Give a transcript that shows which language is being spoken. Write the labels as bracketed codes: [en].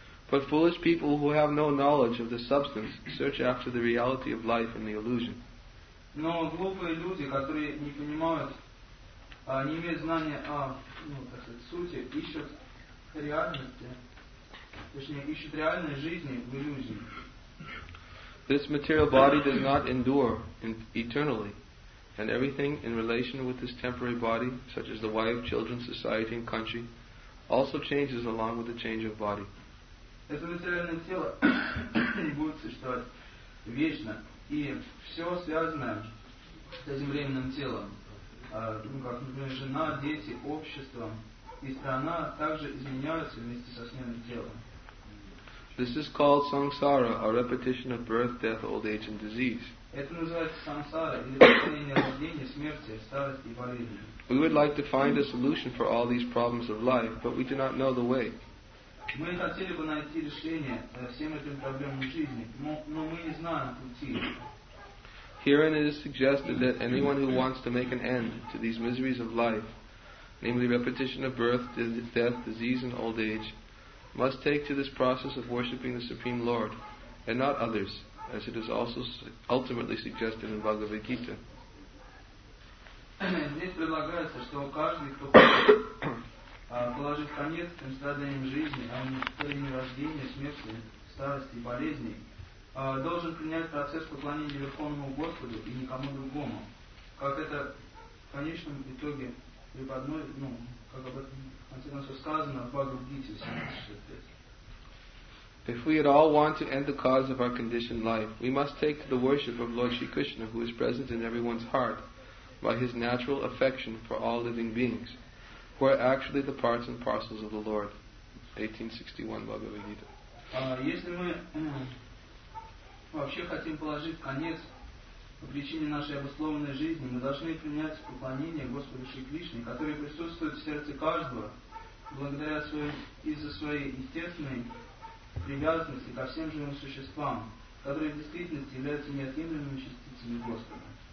[en] But foolish people who have no knowledge of the substance search after the reality of life and the illusion. [ru] Но глупые люди, которые не понимают, не имеют знания о, так сказать, сути, ищут реальности, точнее, ищут реальной жизни в иллюзии. [en] This material body does not endure eternally, and everything in relation with this temporary body, such as the wife, children, society, and country, also changes along with the change of body. [ru] Это материальное тело не будет существовать вечно. И все связанное с этим временным телом, как, например, жена, дети, общество и страна, также изменяются вместе со сменой тела. [en] This is called samsara, a repetition of birth, death, old age and disease. [ru] Это называется самсара, или повторение рождения, смерти, старости и болезни. [en] We would like to find a solution for all these problems of life, but we do not know the way. [ru] Мы хотели бы найти решение всем этим проблемам жизни, но мы не знаем пути. [en] Herein it is suggested that anyone who wants to make an end to these miseries of life, namely repetition of birth, death, disease, and old age, must take to this process of worshipping the Supreme Lord, and not others, as it is also ultimately suggested in Bhagavad Gita. [ru] Здесь предлагается, что каждый, кто хочет положить конец тем страданиям жизни, а не страданиям рождения, смерти, старости и болезней, должен принять процесс поклонения Верховному Господу и никому другому, как это в конечном итоге преподносит, как об этом, в конце концов, сказано в Бхагавад-гите 7.65. [en] If we at all want to end the cause of our conditioned life, we must take to the worship of Lord Shri Krishna, who is present in everyone's heart, by his natural affection for all living beings, who are actually the parts and parcels of the Lord. 1861 Bhagavad-gita. [ru] Если мы вообще хотим положить конец по причине нашей обусловленной жизни, мы должны принять поклонение Господу Шри Кришне, который присутствует в сердце каждого благодаря из-за своей естественной привязанности ко всем живым существам, которые в действительности являются неотъемлемыми частицами Господа.